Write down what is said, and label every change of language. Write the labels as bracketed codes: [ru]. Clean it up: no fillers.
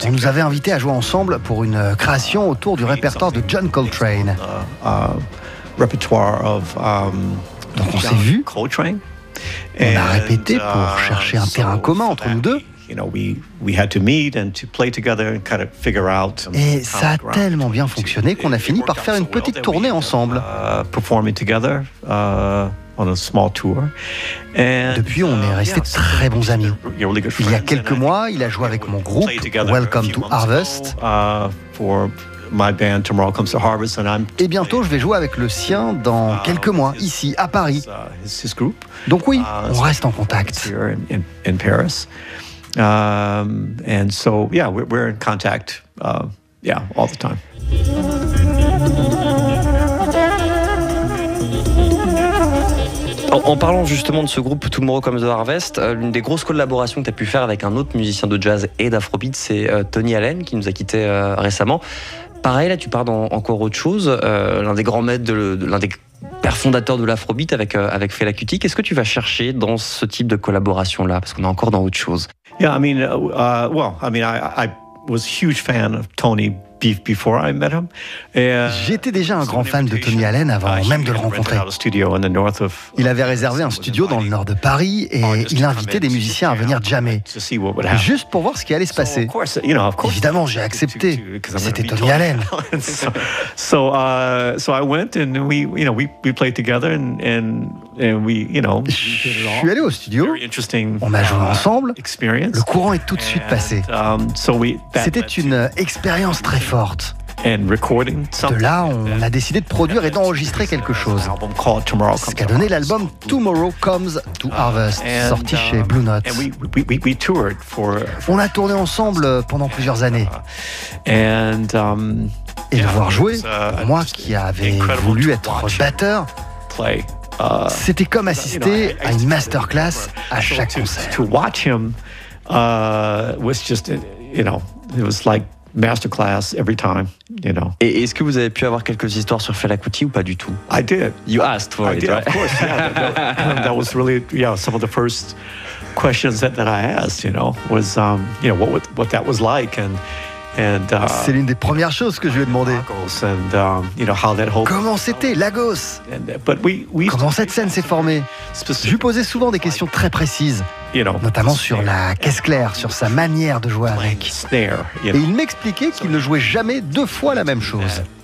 [fr] On nous avait invité à jouer ensemble pour une création autour du répertoire de John Coltrane. [en] Repertoire of. [fr] Donc on s'est vu. [en] Coltrane. [fr] On a répété pour chercher un terrain commun entre nous deux. [en] You know, we had to meet and to play together and kind of figure out. [fr] Et ça a tellement bien fonctionné qu'on a fini par faire une petite tournée ensemble. [en] Performing together on a small tour. [fr] Depuis, on est restés très bons amis. Il y a quelques mois, il a joué avec mon groupe Welcome to Harvest. [en] For my band Tomorrow Comes to Harvest, and I'm. [fr] Et bientôt, je vais jouer avec le sien dans quelques mois ici à Paris. [en] His group. [fr] Donc oui, on reste en contact. [en] In Paris. We're in contact, all the time. [fr] En parlant justement de ce groupe Tomorrow Comes the Harvest, l'une des grosses collaborations que tu as pu faire avec un autre musicien de jazz et d'afrobeat, c'est Tony Allen qui nous a quitté récemment. Pareil, là, tu pars dans encore autre chose. L'un des grands maîtres, l'un des pères fondateurs de l'afrobeat avec Fela Kuti. Qu'est-ce que tu vas chercher dans ce type de collaboration-là? Parce qu'on est encore dans autre chose. [en] I was a huge fan of Tony before I met him. [fr] J'étais déjà un grand fan de Tony Allen avant même de le rencontrer. Il avait réservé un studio dans le nord de Paris et il invitait des musiciens à venir jammer, juste pour voir ce qui allait se passer. Évidemment, j'ai accepté. C'était Tony Allen. [en] So I went and we played together and [fr] je suis allé au studio. On a joué ensemble. Le courant est tout de suite passé. C'était une expérience très forte. De là, on a décidé de produire et d'enregistrer quelque chose. Ce qu'a donné l'album Tomorrow Comes to Harvest, sorti chez Blue Note. On a tourné ensemble pendant plusieurs années. Et le voir jouer, pour moi qui avais voulu être batteur, c'était comme assister à une masterclass à chaque concert. [en] To watch him was just, it was like masterclass every time, [fr] Et est-ce que vous avez pu avoir quelques histoires sur Fela Kuti ou pas du tout? [en] I did. You asked for it, right? Of course, yeah. That was really, some of the first questions that I asked, was, what that was like. [fr] C'est l'une des premières choses que je lui ai demandé. Comment c'était, Lagos? Comment cette scène s'est formée? Je lui posais souvent des questions très précises, notamment sur la caisse claire, sur sa manière de jouer avec. Et il m'expliquait qu'il ne jouait jamais deux fois la même chose.